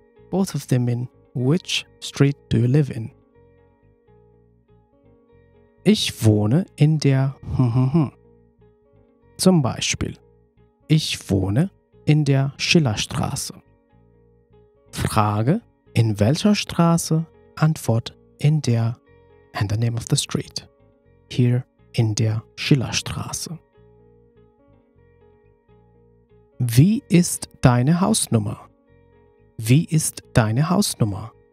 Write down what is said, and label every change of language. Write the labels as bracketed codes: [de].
[en] Both of them in: Which street do you live in? [de] Ich wohne in der zum Beispiel: Ich wohne in der Schillerstraße. Frage: In welcher Straße? Antwort: In der, [en] and the name of the street. Here, [de] in der Schillerstraße. Wie ist deine Hausnummer? Wie ist deine Hausnummer?